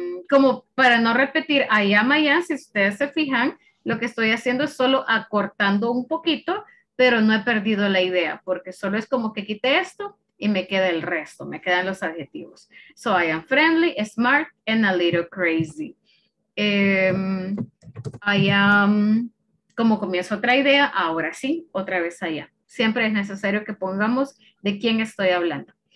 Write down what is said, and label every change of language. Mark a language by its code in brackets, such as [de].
[es] Como para no repetir [en] I am, [es] si ustedes se fijan, lo que estoy haciendo es solo acortando un poquito, pero no he perdido la idea, porque solo es como que quité esto y me queda el resto, me quedan los adjetivos. [en] So I am friendly, smart, and a little crazy. I am, [es] como comienzo otra idea, ahora sí, otra vez I am. Siempre es necesario que pongamos de quién estoy hablando.